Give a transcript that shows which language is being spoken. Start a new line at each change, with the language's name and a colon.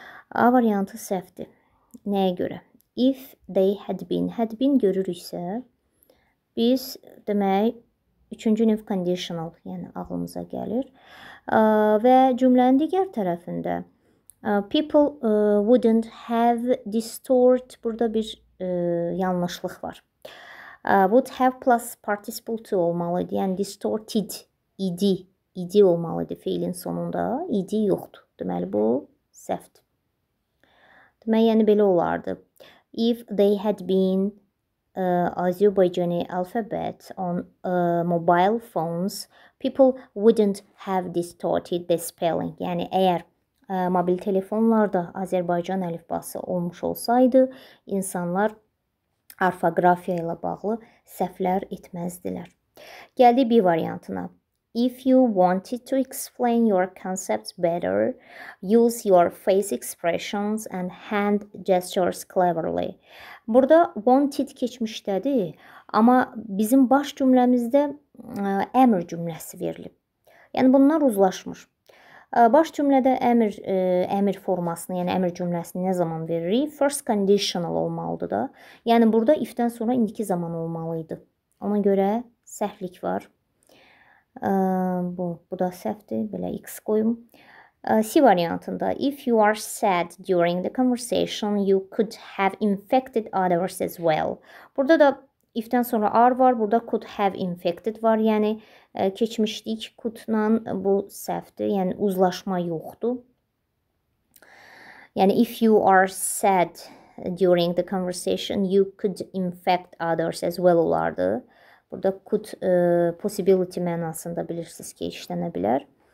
Azerbaijani: A variantı səhvdir. Nəyə görə?
English: If they had been, had been
Azerbaijani: görürüksə, biz demək, üçüncü növ conditional, yəni ağlımıza gəlir. Və cümlənin digər tərəfində,
English: people wouldn't have distort.
Azerbaijani: Burada bir yanlışlıq var.
English: Would have plus participle
Azerbaijani: to olmalıydı. Yəni distorted idi. İdi olmalıydı feilin sonunda. İdi yoxdur. Deməli, bu səhvdir. Deməli, yəni belə olardı.
English: If they had been Azerbaijani alphabet on mobile phones, people wouldn't have distorted the spelling.
Azerbaijani: Yəni, əgər mobil telefonlarda Azərbaycan əlifbası olmuş olsaydı, insanlar orfoqrafiya ilə bağlı səhvlər etməzdilər. Gəldi B variantına.
English: If you wanted to explain your concepts better, use your face expressions and hand gestures cleverly.
Azerbaijani: Burada wanted keçmişdədir, amma bizim baş cümləmizdə əmr cümləsi verilib. Yəni, bunlar uzlaşmış. Baş cümlədə əmr formasını, yəni əmr cümləsini nə zaman veririk? First conditional olmalıdır da. Yəni, burada if-dən sonra indiki zaman olmalıydı. Ona görə səhvlik var. Bu da səhvdir. Belə X qoyum. C variantında,
English: if you are sad during the conversation, you could have infected others as well.
Azerbaijani: Burada da if-dən sonra are var. Burada could have infected var. Yəni, keçmişdik could-la bu səhvdir. Yəni, uzlaşma yoxdur.
English: Yəni, if you are sad during the conversation, you could infect others as well olardı.
Azerbaijani: Burada could possibility mənasında bilirsiniz ki, işlənə bilər.